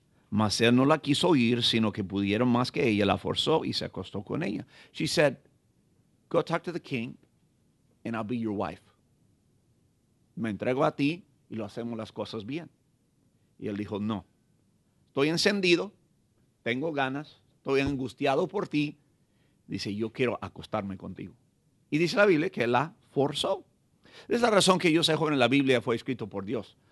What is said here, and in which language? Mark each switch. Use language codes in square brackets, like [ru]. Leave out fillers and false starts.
[es] Mas él no la quiso oír, sino que pudieron más que ella, la forzó y se acostó con ella. [en] She said, go talk to the king and I'll be your wife. [es] Me entrego a ti y lo hacemos las cosas bien. Y él dijo, no, estoy encendido, tengo ganas, estoy angustiado por ti, dice, yo quiero acostarme contigo. Y dice la Biblia que la forzó. Es la razón que yo sé, joven, la Biblia fue escrito por Dios.